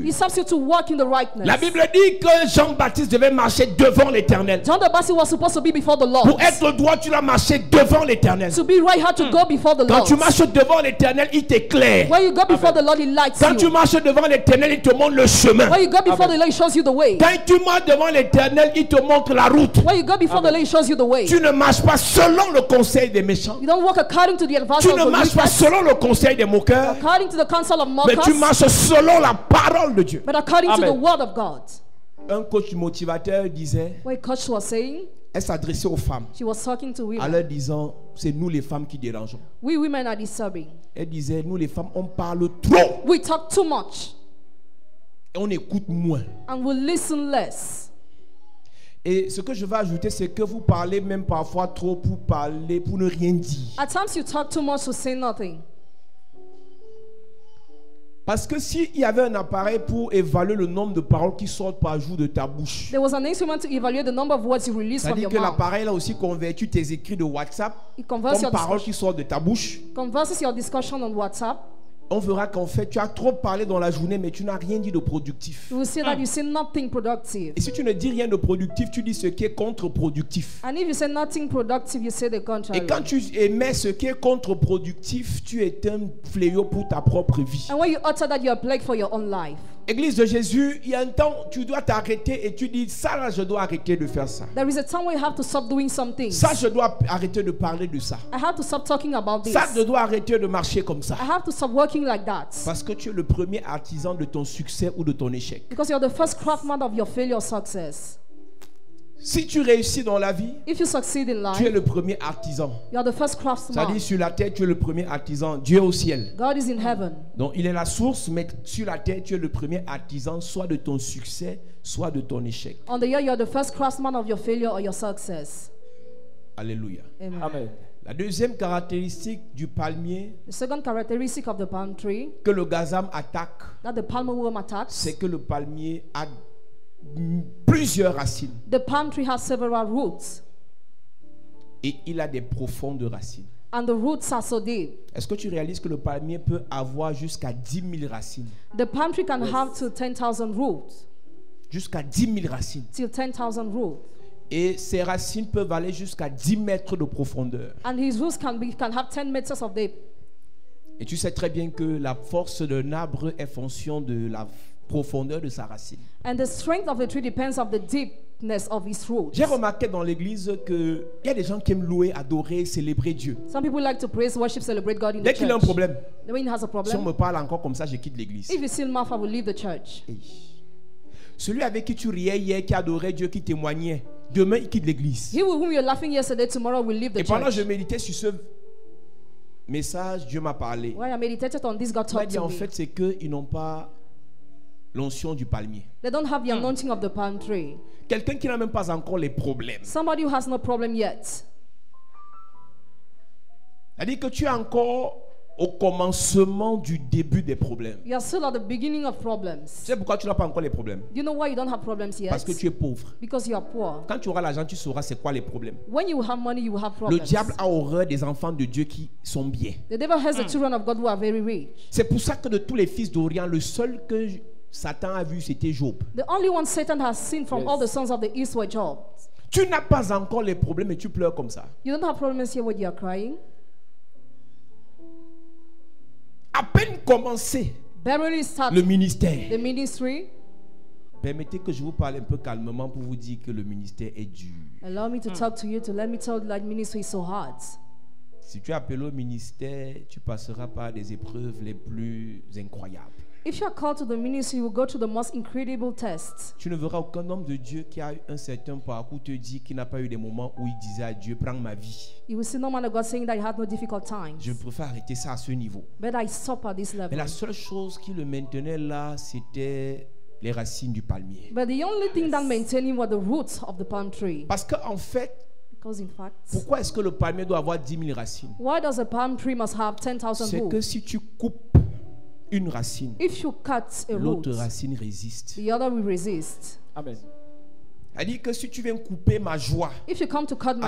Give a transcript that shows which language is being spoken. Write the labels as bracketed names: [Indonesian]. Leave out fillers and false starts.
[English] It stops you to walk in the rightness. [French] La Bible dit que Jean-Baptiste devait marcher devant l'Éternel. [English] John the Baptist was supposed to be before the Lord. [French] Pour être droit, tu dois marcher devant l'Éternel. [English] To be right, you have to go before the Lord. [French] Quand tu marches devant l'Éternel, il t'éclaire. [English] When you go before the Lord, he lights [French] quand [English] you. [French] Tu marches devant l'Éternel, il te montre le chemin. [English] When you go before the Lord, he shows you the way. [French] Quand tu marches devant l'Éternel, il te montre la route. [English] When you go before the Lord, shows you the way. [French] Tu ne marches pas selon le conseil des méchants. [English] You don't walk according to the advice [French] tu ne marches pas selon le conseil des moqueurs. [English] According to the counsel of mockers. [French] Mais tu marches selon la parole de Dieu. [English] But according to the word of God. [French] Un coach motivateur disait. [English] What coach was saying? [French] Elle s'adressait aux femmes. [English] She was talking to women. [French] À leur disant, c'est nous les femmes qui dérangeons. [English] We women are disturbing. [French] Elle disait, nous les femmes, on parle trop. [English] We talk too much. [French] Et on écoute moins. [English] And we listen less. [French] Et ce que je veux ajouter, c'est que vous parlez même parfois trop pour parler, pour ne rien dire. [English] At times you talk too much to say nothing. [French] Parce que s'il y avait un appareil pour évaluer le nombre de paroles qui sortent par jour de ta bouche. [English] There was an instrument to evaluate the number of words you release from your mouth. [French] C'est-à-dire que l'appareil a aussi converti tes écrits de WhatsApp en paroles qui sortent de ta bouche. [English] Converses your discussion on WhatsApp. [French] on verra qu'en fait tu as trop parlé dans la journée mais tu n'as rien dit de productif. [English] You see that you say nothing productive. [French] Et si tu ne dis rien de productif, tu dis ce qui est contre-productif. [English] And if you say nothing productive, you say the contrary. [French] Et quand tu émets ce qui est contre-productif, tu es un fléau pour ta propre vie. [English] And when you utter that, you are a plague for your own life. [French] Église de Jésus, il y a un temps tu dois t'arrêter et tu dis ça là je dois arrêter de faire ça. [English] There is a time where you have to stop doing some things. [French] Ça je dois arrêter de parler de ça. [English] I have to stop talking about this. [French] Ça je dois arrêter de marcher comme ça. [English] I have to stop working like that. [French] Parce que tu es le premier artisan de ton succès ou de ton échec. [English] Because you are the first craftsman of your failure or success. [French] Si tu réussis dans la vie, [English] if you succeed in life, [French] tu es le premier artisan. [English] You are the first craftsman. [French] Ça dit sur la terre, tu es le premier artisan. Dieu est au ciel. [English] God is in heaven. [French] Donc il est la source, mais sur la terre, tu es le premier artisan, soit de ton succès, soit de ton échec. [English] On the earth, you are the first craftsman of your failure or your success. Alléluia. Amen. Amen. [French] La deuxième caractéristique du palmier, [English] the second characteristic of the palm tree, [French] que le gazam attaque, [English] that the palm worm attacks, [French] c'est que le palmier a plusieurs racines. [English] The palm tree has several roots. [French] Et il a des profondes racines. [English] And the roots are so deep. [French] Est-ce que tu réalises que le palmier peut avoir jusqu'à 10 000 racines? [English] The palm tree can have to 10,000 roots. [French] Jusqu'à 10 000 racines. [English] Till 10,000 roots. [French] Et ses racines peuvent aller jusqu'à 10 mètres de profondeur. [English] And his roots can have 10 meters of depth. [French] Et tu sais très bien que la force d'un arbre est fonction de la profondeur de sa racine. [English] And the strength of the tree depends on the deepness of its roots. [French] J'ai remarqué dans l'église que il y a des gens qui aiment louer, adorer, célébrer Dieu. [English] Some people like to praise, worship, celebrate God in [French] dès [English] the church. [French] Dès qu'il a un problème. [English] When he has a problem. [French] Si on me parle encore comme ça, je quitte l'église. [English] If you still mouth, I will leave the church. Hey. [French] Celui avec qui tu riais hier, qui adorait Dieu, qui témoignait, demain il quitte l'église. [English] He with whom you're laughing yesterday, tomorrow will leave the church. [French] Et pendant que je méditais sur ce message, Dieu m'a parlé. [English] While I meditated on this, God talked to me. [French] En fait, c'est que ils n'ont pas l'onction du palmier. [English] They don't have the anointing of the palm tree. [French] Quelqu'un qui n'a même pas encore les problèmes. [English] Somebody who has no problem yet. [French] C'est-à-dire que tu es encore au commencement du début des problèmes. [English] You are still at the beginning of problems. [French] Tu sais pourquoi tu n'as pas encore les problèmes? [English] Do you know why you don't have problems yet? [French] Parce que tu es pauvre. [English] Because you are poor. [French] Quand tu auras l'argent, tu sauras c'est quoi les problèmes. [English] When you have money, you have problems. [French] Le diable a horreur des enfants de Dieu qui sont bien. [English] The devil has the children of God who are very rich. [French] C'est pour ça que de tous les fils d'Orient, le seul que Satan a vu, c'était Job. [English] The only one Satan has seen from all the sons of the east were Job. [French] Tu n'as pas encore les problèmes et tu pleures comme ça. [English] You don't have problems here when you are crying. [French] À peine commencé. [English] Barely started. [French] Le ministère. [English] The ministry. [French] Permettez que je vous parle un peu calmement pour vous dire que le ministère est dur. [English] Allow me to talk to you to let me tell you that ministry is so hard. [French] Si tu appelles au ministère, tu passeras par des épreuves les plus incroyables. [English] If you are called to the ministry, you will go to the most incredible tests. [French] Tu ne verras aucun homme de Dieu qui a eu un certain parcours te dire qu'il n'a pas eu des moments où il disait à Dieu, prends ma vie. [English] You will see no man of God saying that he had no difficult times. [French] Je préfère arrêter ça à ce niveau. [English] But I stop at this level. [French] Mais la seule chose qui le maintenait là, c'était les racines du palmier. [English] But the only thing that maintained him were the roots of the palm tree. [French] Parce que en fait, [English] because in fact, [French] pourquoi est-ce que le palmier doit avoir 10 000 racines? [English] Why does a palm tree must have 10,000 roots? [French] C'est que si tu coupes une racine, [English] if you cut a [French] l'autre [English] root, [French] racine résiste. [English] The other will resist. Amen. [French] Elle dit que si tu viens couper ma joie, [English] if you come to cut my